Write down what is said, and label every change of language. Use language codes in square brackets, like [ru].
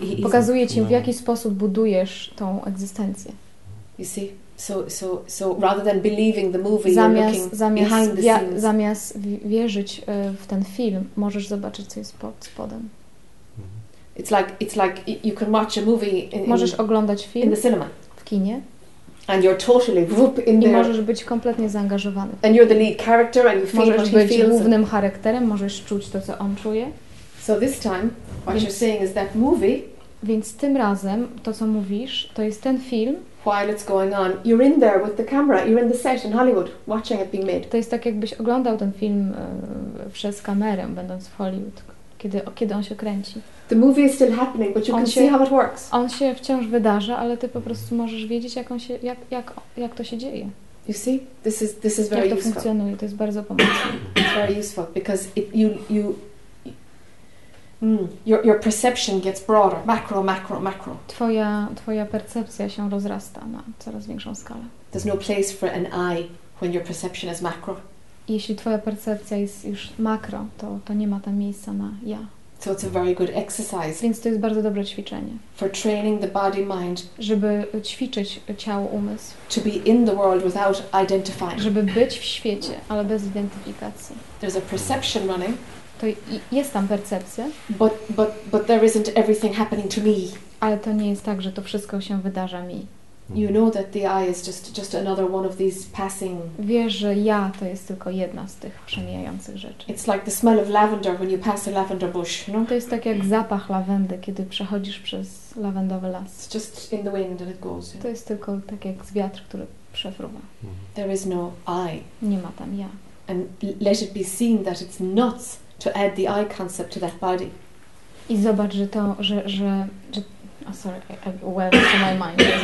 [pl] pokazuje ci, w jaki sposób budujesz tą egzystencję. [en] You see? So rather than believing the movie, you're looking behind the scenes. [pl] Zamiast wierzyć w ten film, możesz zobaczyć, co jest pod spodem. [en] It's like you can watch a movie [pl] możesz oglądać film [en] in the cinema. [pl] W kinie. [en] And you're totally [pl] i możesz być kompletnie zaangażowany. [en] And you're the lead character and you feel [pl] możesz [en] what [pl] być [en] he feels [pl] głównym charakterem, możesz czuć to, co on czuje. [en] So this time, what you're saying is that movie. [pl] Więc tym razem to, co mówisz, to jest ten film. [en] While it's going on, you're in there with the camera, you're in the set in Hollywood, watching it being made. [pl] To jest tak, jakbyś oglądał ten film przez kamerę, będąc w Hollywood, kiedy on się kręci. [en] The movie is still happening, but you can see how it works. [pl] On się wciąż wydarza, ale ty po prostu możesz wiedzieć, jak to się dzieje. [en] You see? This is very useful. [pl] Jak to funkcjonuje, to jest bardzo pomocne. [en] It's very useful, because your perception gets broader, macro. [pl] Twoja percepcja się rozrasta na coraz większą skalę. [en] There's no place for an I when your perception is macro. [pl] Jeśli twoja percepcja jest już makro, to nie ma tam miejsca na ja. [en] So it's a very good exercise. [pl] Więc to jest bardzo dobre ćwiczenie. [en] For training the body mind. [pl] Żeby ćwiczyć ciało umysł. [en] To be in the world without identifying. [pl] Żeby być w świecie, ale bez identyfikacji. [en] There's a perception running. [pl] To jest tam percepcja. [en] But there isn't everything happening to me. [pl] Ale to nie jest tak, że to wszystko się wydarza mi. [en] You know that the I is just another one of these passing. [pl] Wiesz, że ja to jest tylko jedna z tych przemijających rzeczy. [en] It's like the smell of lavender when you pass a lavender bush, no? [pl] To jest tak jak zapach lawendy, kiedy przechodzisz przez lawendowy las. [en] It's just in the wind and it goes. Yeah. [pl] To jest tylko tak jak z wiatr, który przefruwa. [en] There is no I. [pl] Nie ma tam ja. [en] And let it be seen that it's nuts to add the I concept to that body. [pl] I zobacz, że to, że [en] oh, sorry, where to my mind.